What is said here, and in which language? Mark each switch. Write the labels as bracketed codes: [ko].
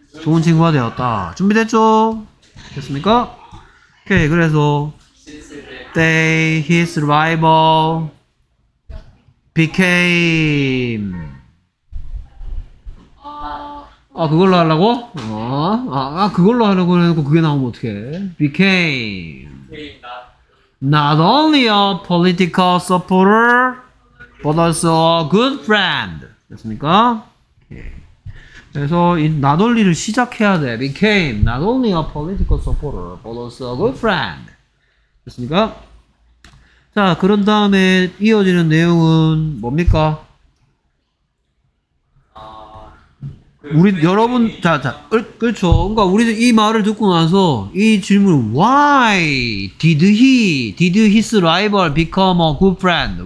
[ko] 좋은 친구가 되었다. 준비됐죠? 됐습니까? 오케이. 그래서 [en] they, his rival became [ko] 아 그걸로 하려고? 아 그걸로 하려고 해놓고 그게 나오면 어떡해. [en] became not only a political supporter but also a good friend. [ko] 됐습니까? 그래서 이 나돌리를 시작해야 돼. [en] Became not only a political supporter but also a good friend. [ko] 됐습니까? 자, 그런 다음에 이어지는 내용은 뭡니까? 우리 여러분 자자 그렇죠. 그러니까 우리 이 말을 듣고 나서 이 질문 [en] Why did his rival become a good friend?